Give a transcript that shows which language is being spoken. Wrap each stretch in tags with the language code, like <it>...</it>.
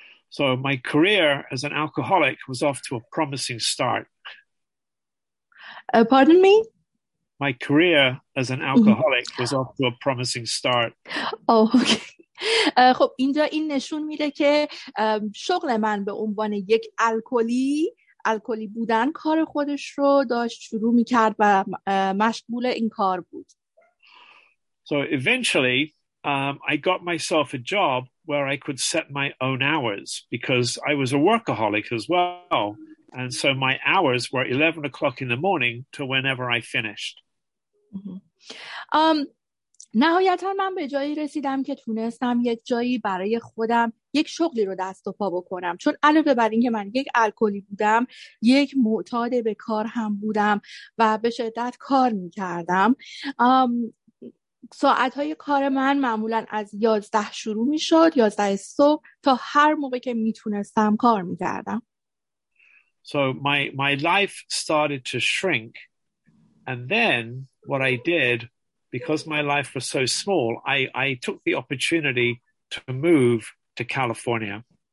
<en>So my career as an alcoholic was off to a promising start. Pardon me? My career as an alcoholic was off to a promising start. Oh, okay.</en> <fa>خب اینجا این نشون میده که شغل من به عنوان یک الکلی بودن کار خودش رو داشت شروع میکرد و مشغول این کار بود.</fa> <en>So eventually I got myself a job where I could set my own hours because I was a workaholic as well, and so my hours were 11 o'clock in the morning to whenever I finished.</en> <fa>نهایتا من به جایی رسیدم که تونستم یک جایی برای خودم یک شغلی رو دست و پا بکنم، چون علاوه بر این که من یک الکلی بودم، یک معتاد به کار هم بودم و به شدت کار میکردم. ساعتهای کار من معمولا از 11 شروع میشد، 11 صبح، تا هر موقع که میتونستم کار میکردم.</fa> <en>So my life started to shrink, and then what I did, because my life was so small, I took the opportunity to move to California.</en>